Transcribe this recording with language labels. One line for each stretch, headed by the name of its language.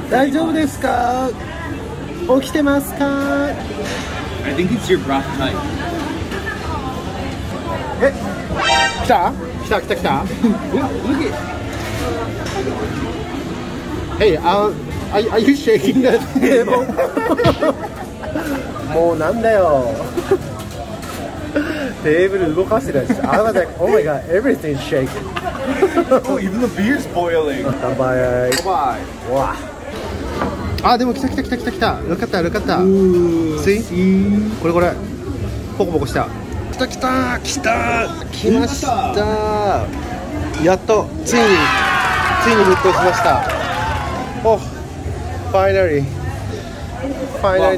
Japanese: 大丈夫ですか起きてますか。
English: I think it's your breath time.
Japanese: え、来た？来た来た来た。
English: Look it. Hey, are you shaking that table?
Japanese: もうなんだよ。テーブル動かしてたし。
English: I was like, oh my god, everything's shaking. Oh, even the beer's boiling. Bye bye. Bye bye.
Japanese: わあ。あ、でも来た来た来た来た来た。よかったよかった。
English: See?
Japanese: これこれ。ポコポコした。来た来た来た来ました。やっとついに、
English: yeah!
Japanese: ついに沸騰しました。おっ、
English: oh, finally finally、